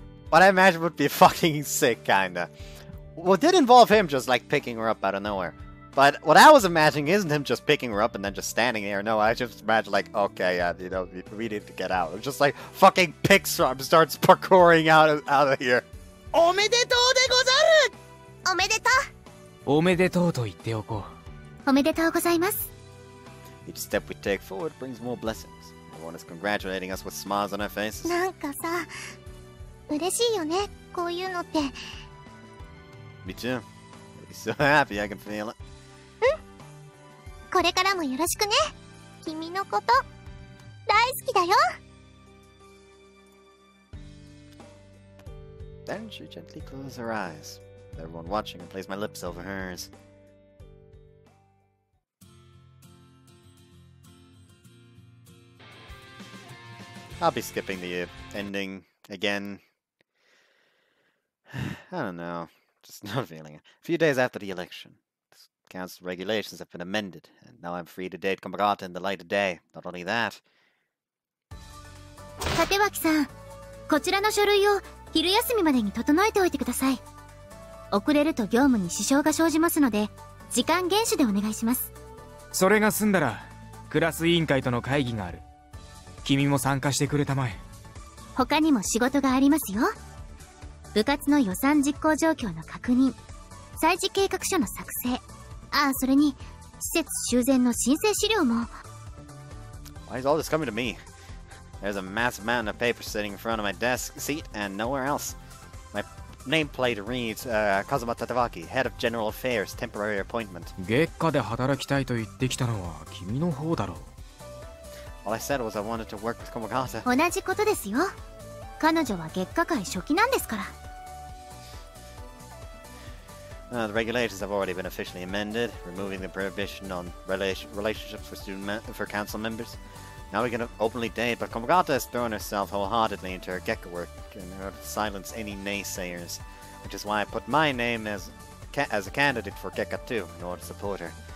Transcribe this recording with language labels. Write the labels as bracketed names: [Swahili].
[English] What I imagine would be fucking sick, kinda. Well, it did involve him just like picking her up out of nowhere. But what I was imagining isn't him just picking her up and then just standing there. No, I just imagine like, okay, yeah, you know, we need to get out. It's just like fucking picks her up and starts parkouring out of here. [Japanese] おめでとうでござる。おめでとう。おめでとうと言っておこう。おめでとうございます。 [English] Each step we take forward brings more blessings. Everyone is congratulating us with smiles on their faces. [Japanese] なんかさ、嬉しいよね、こういうのって。 [English] Me too. So happy, I can feel it. [Japanese] これからもよろしくね。君のこと大好きだよ。 [English] Then she gently closes her eyes. Everyone watching and plays my lips over hers. I'll be skipping the ending again. I don't know. Just not feeling it. A few days after the election, the council regulations have been amended, and now I'm free to date Komagata in the light of day. Not only that. [Japanese] 立脇さん、こちらの書類を昼休みまでに整えておいてください。遅れると業務に支障が生じますので、時間厳守でお願いします。それが済んだら、クラス委員会との会議がある。君も参加してくれたまえ。他にも仕事がありますよ。部活の予算実行状況の確認、祭事計画書の作成、ああそれに施設修繕の申請資料も。 [English] Why is all this coming to me? There's a massive mountain of papers sitting in front of my desk seat and nowhere else. My nameplate reads、Kazuma Tatawaki, Head of General Affairs, Temporary Appointment. [Japanese] 月下で働きたいと言ってきたのは君の方だろう。 [English] All I said was I wanted to work with Komagata. [Japanese] 同じことですよ。彼女は月下界初期なんですから。 [English] The regulations have already been officially amended, removing the prohibition on relationships for student for council members. Now we can openly date, but Komagata has thrown herself wholeheartedly into her Gekka work in order to silence any naysayers, which is why I put my name as a candidate for Gekka 2 in order to support her.